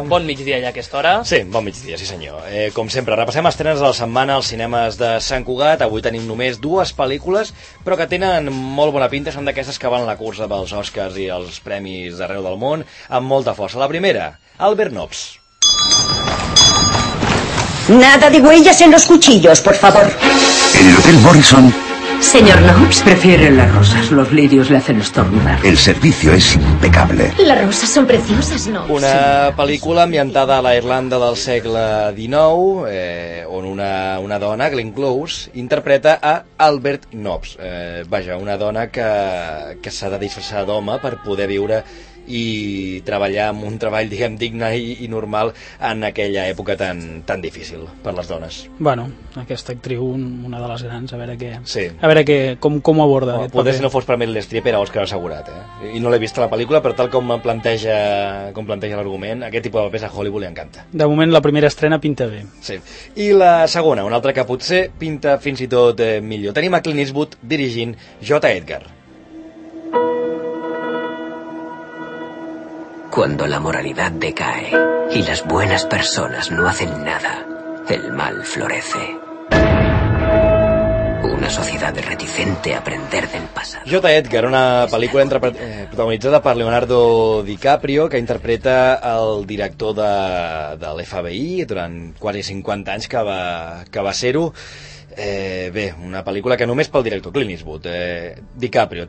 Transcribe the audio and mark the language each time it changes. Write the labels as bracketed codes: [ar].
[ca] Bon migdia ja a aquesta hora. Sí, bon migdia, sí senyor. Com sempre, repassem estrenes de la setmana als cinemes de Sant Cugat. Avui tenim només dues pel·lícules, però que tenen molt bona pinta. Són d'aquestes que van a la cursa pels Oscars i els premis d'arreu del món amb molta força. La primera, Albert Nobbs. [es] Nada de huellas en los cuchillos, por favor. El Hotel Morrison. Señor Nobbs. Prefiere las rosas, los lirios le hacen estornudar. El servicio es impecable. Las rosas son preciosas, Nobbs. [ca] Una pel·lícula ambientada a la Irlanda del segle XIX, on una dona, Glenn Close, interpreta a Albert Nobbs. Vaja, una dona que s'ha de disfressar d'home per poder viure i treballar amb un treball, diguem, digne i normal en aquella època tan difícil per les dones. Bueno, aquesta actriu, una de les grans, a veure què... Sí. A veure què, com aborda aquest paper. Potser si no fos per Meryl Streep era Òscar assegurat, eh? I no l'he vist a la pel·lícula, però tal com planteja l'argument, aquest tipus de papers a Hollywood li encanta. De moment, la primera estrena pinta bé. Sí. I la segona, una altra que potser pinta fins i tot millor. Tenim a Clint Eastwood dirigint J. Edgar. [es] Cuando la moralidad decae y las buenas personas no hacen nada, el mal florece. Una sociedad reticente a aprender del pasado. [ca] J. Edgar, una pel·lícula protagonitzada per Leonardo DiCaprio, que interpreta el director de l'FBI durant quasi 50 anys que va ser-ho. Bé, una pel·lícula que només pel director Clint Eastwood, DiCaprio.